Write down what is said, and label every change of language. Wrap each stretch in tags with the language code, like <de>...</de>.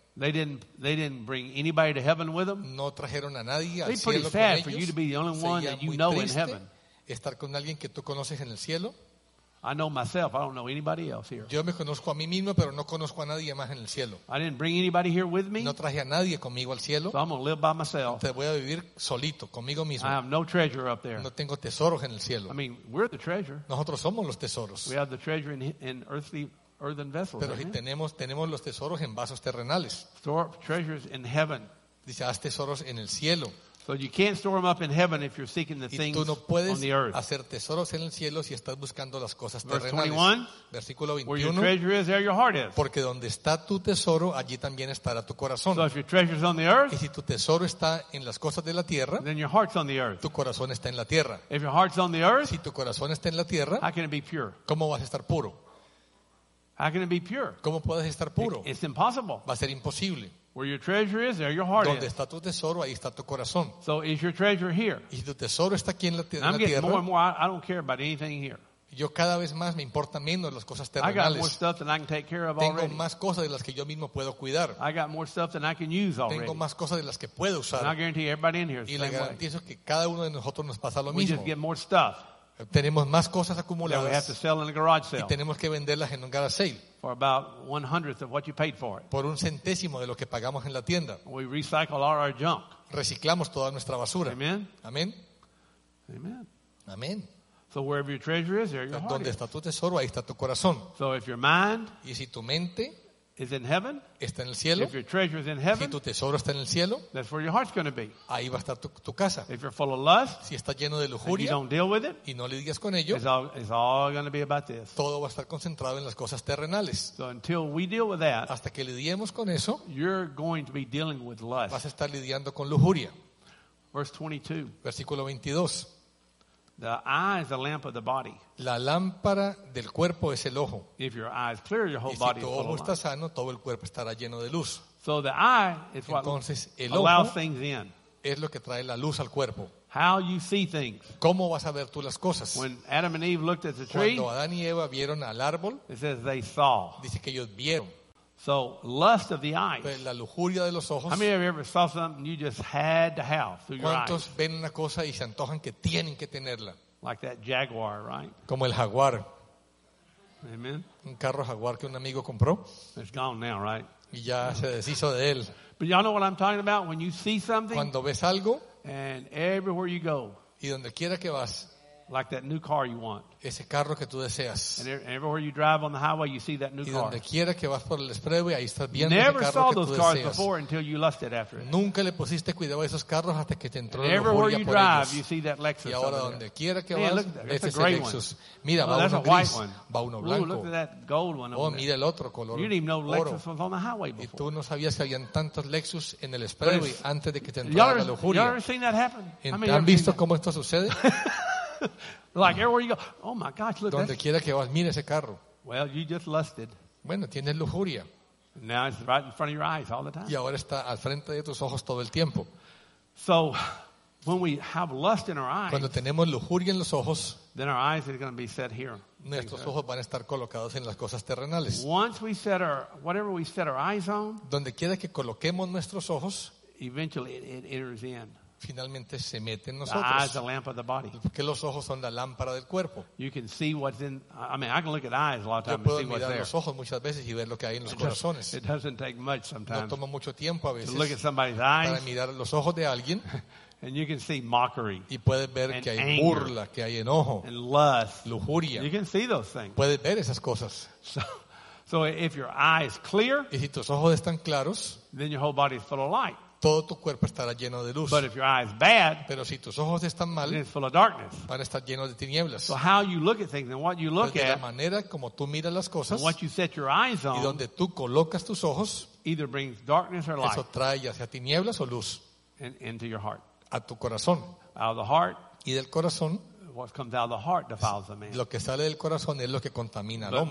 <en>They didn't bring anybody to heaven with them.</en> <es>No trajeron a nadie al cielo con ellos.</es> <en>Pretty sad for you to be the only one that you know in heaven.</en> <es>Estar con alguien que tú conoces en el cielo.</es> <en>I know myself. I don't know anybody else here.</en> <es>Yo me conozco a mí mismo, pero no conozco a nadie más en el cielo.</es> <en>I didn't bring anybody here with me.</en> <es>No traje a nadie conmigo al cielo.</es> <en>So I'm gonna live by myself.</en> <es>Te voy a vivir solito, conmigo mismo.</es> <en>I have no treasure up there.</en> <es>No tengo tesoros en el cielo.</es> <en>I mean, we're the treasure.</en> <es>Nosotros somos los tesoros.</es> <en>We have the treasure in earthly earthen vessels.</en> <es>Pero si tenemos los tesoros en vasos terrenales.</es> <en>Store up treasures in heaven.</en> <es>Dice, haz tesoros en el cielo.</es> <en>So you can't store them up in heaven if you're seeking the things</en> <es>no</es> <en>on the earth.</en> <es>Y tú no puedes hacer tesoros en el cielo si estás buscando las cosas terrenales.</es> <en>Verse 21,</en> <es>versículo 21.</es> <en>Where your treasure is, there your heart is.</en> <es>Porque donde está tu tesoro, allí también estará tu corazón.</es> <en>So if your treasure is on the earth,</en> <es>y si tu tesoro está en las cosas de la tierra,</es> <en>then your heart's on the earth.</en> <es>Tu corazón está en la tierra.</es> <en>If your heart's on the earth,</en> <es>si tu corazón está en la tierra,</es> <en>how can it be pure?</en> <es>¿Cómo vas a estar puro?</es> <en>How can it be pure?</en> <es>¿Cómo puedes estar puro?</es> <en>It's impossible.</en> <es>Va a ser imposible.</es> <en>Where your treasure is, there your heart is.</en> <es>Donde está tu tesoro, ahí está tu corazón.</es> <en>So is your treasure here?</en> <es>Y tu tesoro está aquí en la tierra.</es> <en>I'm getting more and more. I don't care about anything here.</en> <es>Yo cada vez más me importa menos las cosas terrenales.</es> <en>I got more stuff than I can take care of already.</en> <es>Tengo más cosas de las que yo mismo puedo cuidar.</es> <en>I got more stuff than I can use already.</en> <es>Tengo más cosas de las que puedo usar.</es> <en>And I guarantee everybody in here.</en> <es>Y le garantizo que cada uno de nosotros nos pasa lo mismo.</es> <en>We just get more stuff.</en> <es>Tenemos más cosas acumuladas.</es> <en>That we have to sell in a garage sale.</en> <es>Y tenemos que venderlas en un garage sale.</es> <en>For about 1/100 of what you paid for it.</en> <es>Por un centésimo de lo que pagamos en la tienda.</es> <en>We recycle all our junk.</en> <es>Reciclamos toda nuestra basura.</es> <en>Amen. Amen. Amen. Amen. So wherever your treasure is, there your heart is.</en> <es>Donde está tu tesoro, ahí está tu corazón.</es> <en>So if your mind,</en> <es>y si tu mente,</es> <en>is in heaven,</en> <es>está en el cielo.</es> <en>If your treasure is in heaven,</en> <es>si tu tesoro está en el cielo,</es> <en>that's where your heart's going to be.</en> <es>Ahí va a estar tu casa.</es> <en>If you're full of lust,</en> <es>si está lleno de lujuria,</es> <en>and you don't deal with it,</en> <es>y no lidias con ello,</es> <en>it's all going to be about this.</en> <es>Todo va a estar concentrado en las cosas terrenales.</es> <en>So until we deal with that,</en> <es>hasta que lidiemos con eso,</es> <en>you're going to be dealing with lust.</en> <es>Vas a estar lidiando con lujuria.</es> <en>Verse 22.</en> <es>Versículo 22.</es> <en>The eye is the lamp of the body.</en> <es>La lámpara del cuerpo es el ojo.</es> <en>If your eye is clear, your whole body is full of light.</en> <es>Y si tu ojo está sano, todo el cuerpo estará lleno de luz.</es> <en>So the eye is what</en> <es>Entonces, el</es> <en>allows</en> <es>ojo</es> <en>things in.</en> <es>Es lo que trae la luz al cuerpo.</es> <en>How you see things.</en> <es>¿Cómo vas a ver tú las cosas?</es> <en>When Adam and Eve looked at the tree,</en> <es>cuando Adán y Eva vieron al árbol,</es> <en>it says they saw.</en> <es>Dice que ellos vieron.</es> <en>So lust of the eyes.</en> <es>Pues la lujuria de los ojos.</es> <en>How many of you ever saw something you just had to have through your eyes?</en> <es>¿Cuántos ven una cosa y se antojan que tienen que tenerla?</es> <en>Like that jaguar, right?</en> <es>Como el jaguar.</es> <en>Amen.</en> <es>Un carro jaguar que un amigo compró.</es> <en>It's gone now, right?</en> <es>Y ya se deshizo de él.</es> <en>But y'all know what I'm talking about when you see something.</en> <es>Cuando ves algo.</es> <en>And everywhere you go.</en> <es>Y donde quiera que vas.</es> <en>Like that new car you want.</en> <es>Ese carro que tú deseas.</es> <en>And everywhere you drive on the highway, you see that new car.</en> <es>Y donde quiera que vas por el expressway, ahí estás viendo ese carro que tú deseas.</es> <en>You never saw those cars before until you lusted after it.</en> <es>Nunca le pusiste cuidado a esos carros hasta que te entró la lujuria por ellos.</es> <en>Everywhere you drive, you see that Lexus.</en> <es>Y ahora donde quiera que vas, ves ese Lexus. Mira, va uno gris, va uno blanco.</es> <en>Look at that gold one.</en> <es>Oh, mira el otro color.</es> <en>You didn't even know Lexus was on the highway before.</en> <es>Y tú no sabías que habían tantos Lexus en el expressway antes de que te entrara la lujuria.</es> <en>You ever seen that happen?</en> <es>¿Han visto cómo esto sucede?</es> <en>Like everywhere you go, oh my gosh, look.</en> <es>Donde quiera que vas, mira ese carro.</es> <en>Well, you just lusted.</en> <es>Bueno, tienes lujuria.</es> <en>Now it's right in front of your eyes all the time.</en> <es>Y ahora está al frente de tus ojos todo el tiempo.</es> <en>So, when we have lust in our eyes,</en> <es>cuando tenemos lujuria en los ojos,</es> <en>then our eyes are going to be set here.</en> <es>Nuestros ojos van a estar colocados en las cosas terrenales.</es> <en>Once we set our whatever we set our eyes on,</en> <es>donde quiera que coloquemos nuestros ojos,</es> <en>eventually it enters in.</en> <es>Finalmente se mete en nosotros.</es> <en>The lamp of the body.</en> <es>Porque los ojos son la lámpara del cuerpo.</es> <en>You can see what's in. I mean, I can look at eyes a lot of times.</en> <es>Yo puedo</es> <en>and see</en> <es>mirar</es> <en>what's there.</en> <es>Ojos muchas veces y ver lo que hay en los corazones.</es> <en>It doesn't take much sometimes.</en> <es>No toma mucho tiempo a veces.</es> <en>To look at somebody's eyes.</en> <es>Para mirar los ojos de alguien.</es> <en>And you can see mockery.</en> <es>Y puedes ver que hay burla, que hay enojo.</es> <en>And lust.</en> <es>Lujuria.</es> <en>You can see those things.</en> <es>Puedes ver esas cosas.</es> <en>So if your eye is clear.</en> <es>Y si tus ojos están claros.</es> <en>Then your whole body is full of light.</en> <es>todo tu cuerpo estará lleno de luz.</es> <en>But if your eyes bad,</en> <es>pero si tus ojos están mal,</es> <en>it's full of darkness.</en> <es>Van a estar llenos de tinieblas.</es> <en>So how you look at things and what you look</en> <es>de</es> <en>at,</en> <es>la manera como tú miras las cosas,</es> <en>and what you set your eyes on,</en> <es>y donde tú colocas tus ojos,</es> <en>either brings darkness or light.</en> <es>Eso trae ya sea tinieblas o luz.</es> <en>And into your heart.</en> <es>A tu corazón.</es> <en>Out of the heart.</en> <es>Y del corazón.</es> <en>What comes out of the heart defiles the man.</en> <es>Lo que sale del corazón es lo que contamina al hombre.</es>